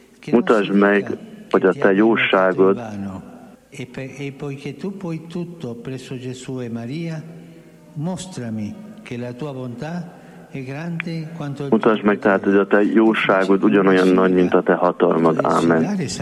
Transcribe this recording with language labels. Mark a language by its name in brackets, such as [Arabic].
[Hungarian] Mutasd meg, hogy a te jóságod. [Italian] E poiché tu puoi tutto presso Gesù e Maria, mostrami che la tua bontà è grande quanto. [Hungarian] Mutasd meg tehát, hogy a te jóságod ugyanolyan nagy, mint a te hatalmad. Amen.